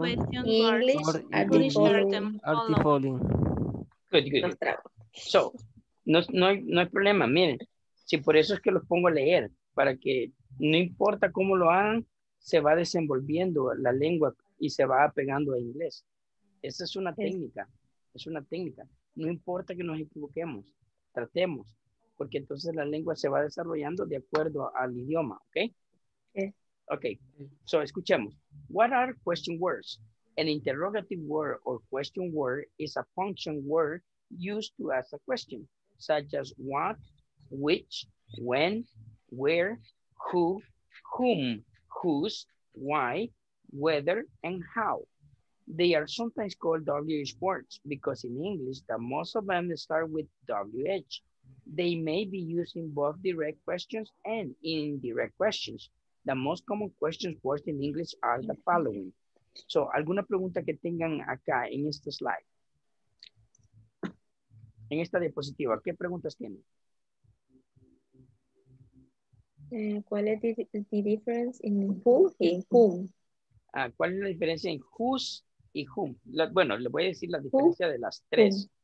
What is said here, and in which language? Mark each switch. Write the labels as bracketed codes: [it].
[en] Because English most often start with the most common question in direct question. Good, good. So, [es] no hay problema, miren. Si por eso es que los pongo a leer, para que no importa cómo lo hagan, se va desenvolviendo la lengua y se va pegando a inglés. Esa es una técnica, es una técnica. No importa que nos equivoquemos, tratemos, porque entonces la lengua se va desarrollando de acuerdo al idioma, ¿ok? [en] Ok, so [es] escuchemos. [en] What are question words? An interrogative word or question word is a function word used to ask a question, such as what, which, when, where, who, whom, whose, why, whether, and how. They are sometimes called WH words because in English, the most of them start with WH. They may be used in both direct questions and indirect questions. The most common questions words in English are the following. [es] So, ¿alguna pregunta que tengan acá en este slide? En esta diapositiva, ¿qué preguntas tienen? ¿Cuál es [en] the difference in who [es] y whom? ¿Cuál es la diferencia en whose y whom? Bueno, le voy a decir la diferencia de las tres.